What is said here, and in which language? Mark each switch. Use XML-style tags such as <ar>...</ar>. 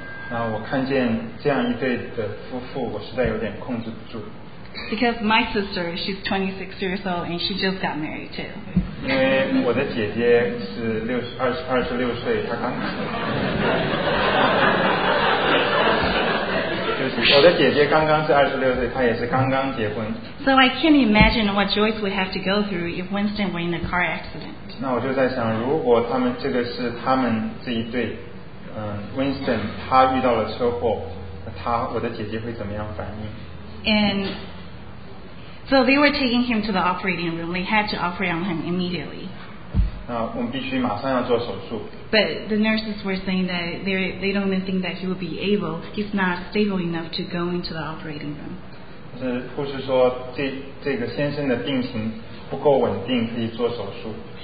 <zh>那我看见这样一对的夫妇，我实在有点控制不住。</zh> <en>Because my sister, she's 26 years old and she just got married too.</en> <zh>因为我的姐姐是二十六岁，她刚。我的姐姐刚刚是26岁，她也是刚刚结婚。</zh> <en>So I can't imagine what Joyce would have to go through if Winston were in a car accident.</en> <zh>那我就在想，如果他们这个是他们这一对， Winston 他遇到了车祸，他我的姐姐会怎么样反应？</zh> <en>And so they were taking him to the operating room. They had to operate on him immediately.</en> <zh>我们必须马上要做手术。</zh> <en>But the nurses were saying that they don't even think that he would be able. He's not stable enough to go into the operating room.</en> <zh>是护士说这个先生的病情不够稳定，可以做手术。</zh>